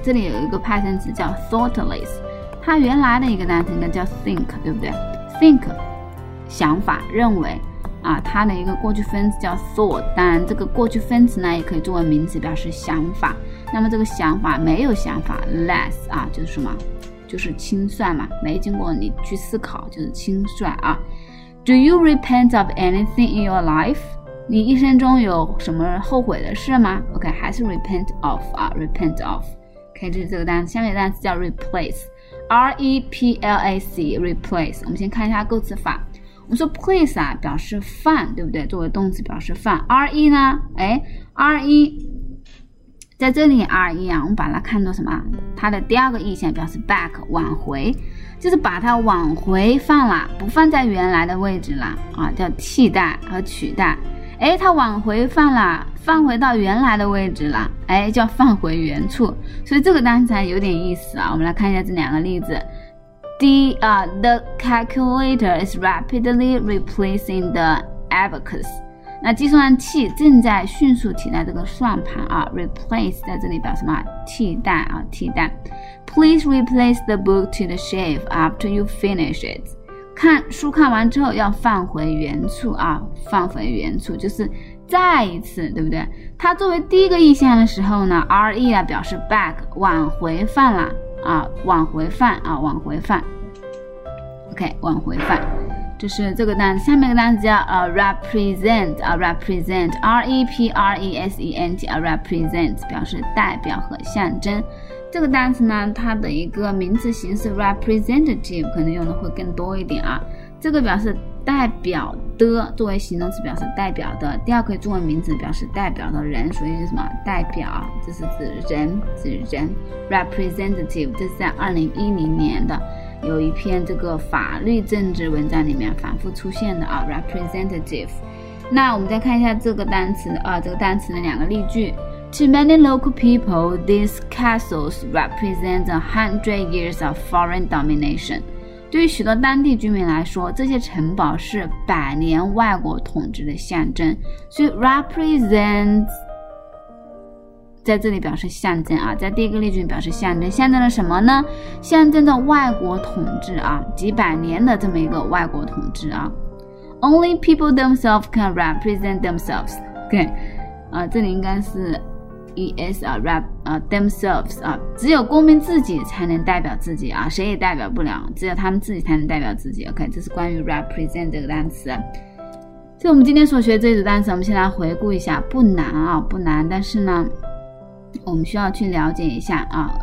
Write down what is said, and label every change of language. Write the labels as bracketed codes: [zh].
[zh] 这里有一个派生词叫 thoughtless， 它原来的一个单词应该叫 think， 对不对 ？think， 想法，认为。啊，它的一个过去分词叫 thought， 当然这个过去分词呢也可以作为名词表示想法。那么这个想法没有想法 ，less 啊，就是什么，就是轻率嘛，没经过你去思考就是轻率啊。 [en] Do you repent of anything in your life？ [zh] 你一生中有什么后悔的事吗 ？OK， 还是 [en] repent of [zh] 啊 ，repent of。 OK， 这是这个单词，下面单词叫 replace，R-E-P-L-A-C，replace。我们先看一下构词法。我们说 place 啊，表示放，对不对？作为动词表示放。re 呢？哎 ，re 在这里 re 啊，我们把它看作什么？它的第二个意象表示 back， 往回，就是把它往回放了，不放在原来的位置了啊，叫替代和取代。哎，它往回放了，放回到原来的位置了，哎，叫放回原处。所以这个单词还有点意思啊，我们来看一下这两个例子。 [en] The calculator is rapidly replacing the abacus. [zh] 那计算器正在迅速替代这个算盘啊。 Replace 在这里表什么？替代啊，替代。 [en] Please replace the book to the shelf after you finish it. [zh] 看书看完之后要放回原处啊，放回原处就是再一次，对不对？它作为第一个意象的时候呢 ，re 啊表示 back 往回放了。啊，往回放啊，往回放。OK， 往回放，这是这个单词。下面一个单词叫represent 啊 ，represent，R-E-P-R-E-S-E-N-T 啊 ，represent 表示代表和象征。这个单词呢，它的一个名词形式 representative 可能用的会更多一点啊。这个表示代表的。的作为形容词表示代表的，第二个作为名词表示代表的人，所以是什么代表，这是指人，指人 representative。这是在2010年的有一篇这个法律政治文章里面反复出现的啊 representative。那我们再看一下这个单词啊，这个单词的两个例句。 [en] To many local people, these castles represent 100 years of foreign domination. [zh] 对于许多当地居民来说，这些城堡是百年外国统治的象征。所以 represent 在这里表示象征啊，在第一个例句表示象征，象征了什么呢？象征着外国统治啊，几百年的这么一个外国统治啊。 [en] Only people themselves can represent themselves. [zh] 对，啊，这里应该是。 [en] Es a rep themselves [zh] 啊，只有公民自己才能代表自己啊，谁也代表不了，只有他们自己才能代表自己。 OK， 这是关于 represent 这个单词。所以我们今天所学的这组单词，我们先来回顾一下，不难啊，不难，但是呢，我们需要去了解一下啊。